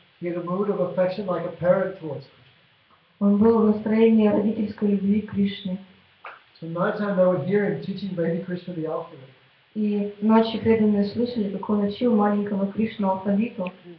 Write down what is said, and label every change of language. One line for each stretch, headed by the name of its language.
English: He had a mood of affection like a parent towards Krishna.
Russian: Он был в настроении родительской любви к Кришне.
English: So nighttime they would hear him teaching baby Krishna the alphabet.
Russian: И ночью преданные слышали, как он учил маленького Кришну алфавиту.